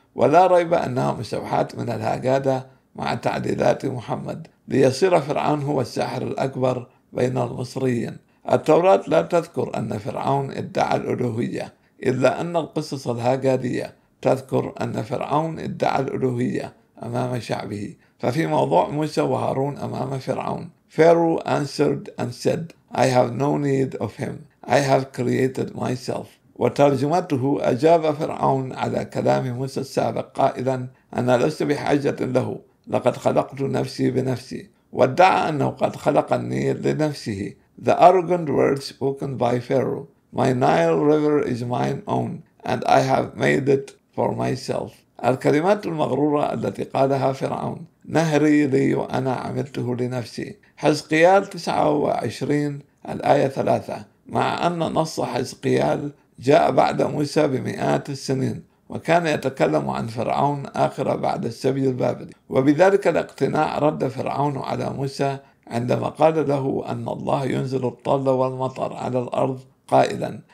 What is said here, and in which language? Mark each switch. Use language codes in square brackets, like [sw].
[ar] ولا ريب أنها مستوحاة من الهجادة مع تعديلات محمد ليصير فرعون هو الساحر الأكبر بين المصريين. التوراة لا تذكر أن فرعون ادعى الألوهية، إلا أن القصص الهجادية تذكر أن فرعون ادعى الألوهية أمام شعبه. ففي موضوع موسى وهارون أمام فرعون: [en] Pharaoh answered and said, I have no need of him. I have created myself. [ar] وترجمته: أجاب فرعون على كلام موسى السابق قائلا: أنا لست بحاجة له، لقد خلقت نفسي بنفسي. وادعى أنه قد خلق النيل لنفسه. [en] The arrogant words spoken by Pharaoh: My Nile River is mine own and I have made it for myself. [ar] الكلمات المغرورة التي قالها فرعون: نهري لي وأنا عملته لنفسي. حزقيال 29 الآية 3. مع أن نص حزقيال جاء بعد موسى بمئات السنين وكان يتكلم عن فرعون آخر بعد السبي البابلي، وبذلك الاقتناع رد فرعون على موسى عندما قال له أن الله ينزل الطل والمطر على الأرض قائلا.